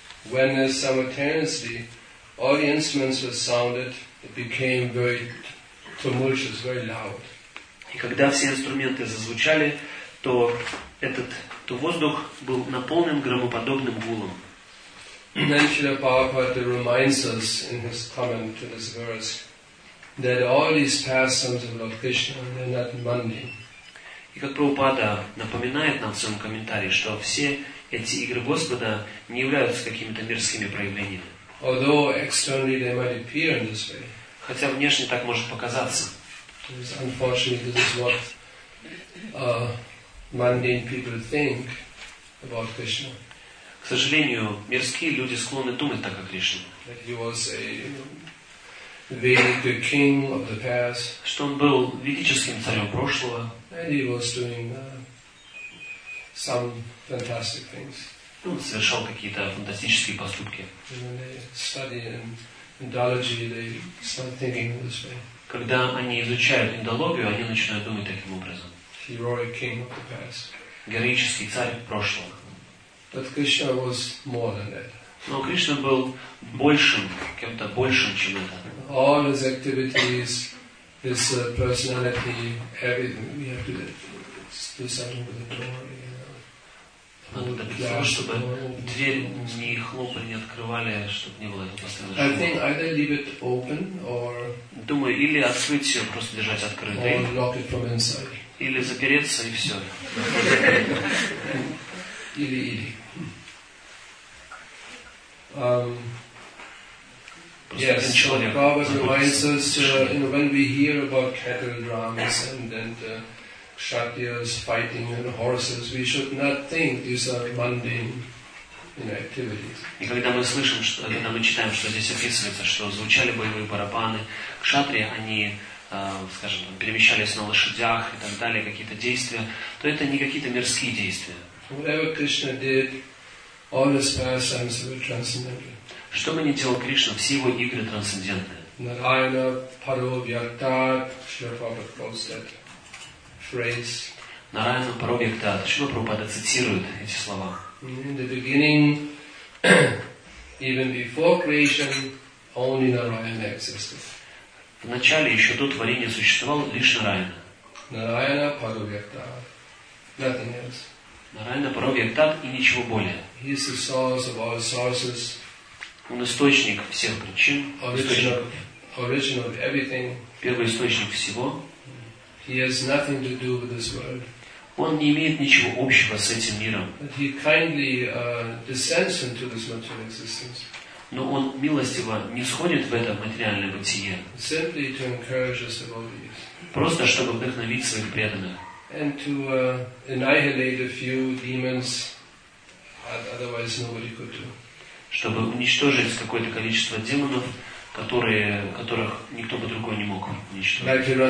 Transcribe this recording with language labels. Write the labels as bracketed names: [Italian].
[English] When simultaneously all the instruments were sounded, it became very tumultuous, very loud. [Russian] И когда все инструменты зазвучали, то этот воздух был наполнен громоподобным гулом. [English] Then Srila Prabhupada reminds us in his comment to this verse that all these pastimes of Lord Krishna are not mundane. [Russian] И как Прабхупада напоминает нам в своем комментарии, что все эти игры Господа не являются какими-то мирскими проявлениями. [English] Although externally they might appear in this way. [Russian] Хотя внешне так может показаться. [English] Unfortunately, this is what mundane people think about Krishna. [Russian] К сожалению, мирские люди склонны думать так о Кришне. [English] That he was a Vedic king of the past. [Russian] Что он был ведическим царем прошлого. [English] And he was doing some fantastic things. [Russian] Ну, совершал какие-то фантастические поступки. [English] And when they study Indology, they start thinking this way. [Russian] Когда они изучают Индологию, они начинают думать таким образом. [English] Heroic king of the past. [Russian] Героический царь прошлого. [English] But Krishna was more than that. [Russian] Но Кришна был большим, кем-то большим, чем это. [English] All his activities, his personality, everything we have to do something with the door, you know. [Russian] Чтобы дверь не хлопали, не открывали, чтобы не было постоянно шума. [English] I think either leave it open or. [Russian] Думаю, или открыть ее, просто держать открытой. [English] Or lock it from inside. [Russian] Или запереться и все. Или. [English] Yes, Prabhupada reminds us, you know, when we hear about kettle drums and kshatriyas fighting and horses, we should not think these are mundane, you know, activities. [Russian] И когда мы слышим, когда мы читаем, что здесь описывается, что звучали боевые барабаны, кшатри, они, скажем, перемещались на лошадях и так далее, какие-то действия, то это не какие-то мирские действия. [English] Whatever Krishna did, all his pastimes were transcendental. [Russian] Что бы ни делал Кришна, все его игры трансцендентны. [Sanskrit] Нараяна, Паро, Вьякта, [English] Шрила Прабхупада calls that phrase. [Sanskrit] Нараяна, Паро, Вьякта. [Russian] Шрила Прабхупада цитирует эти слова. [English] In the beginning, even before creation, only Narayana existed. [Russian] В начале, еще до творения, существовал лишь Нараяна. [Sanskrit] Нараяна, Паро, Вьякта. [English] Nothing else. [Sanskrit] Нараяна, Паро, Вьякта [Russian] и ничего более. [English] He is the source of all sources. [Russian] Он источник всех причин, источник, первый источник всего. [English] He has nothing to do with this world. [Russian] Он не имеет ничего общего с этим миром. [English] But he kindly descends into this material existence. [Russian] но он милостиво не сходит в это материальное бытие. [English] Simply to encourage the devotees. [Russian] Просто чтобы вдохновить своих преданных. [English] And to annihilate a few demons, otherwise nobody could do. [Russian] Чтобы уничтожить какое-то количество демонов, которых никто бы другой не мог уничтожить.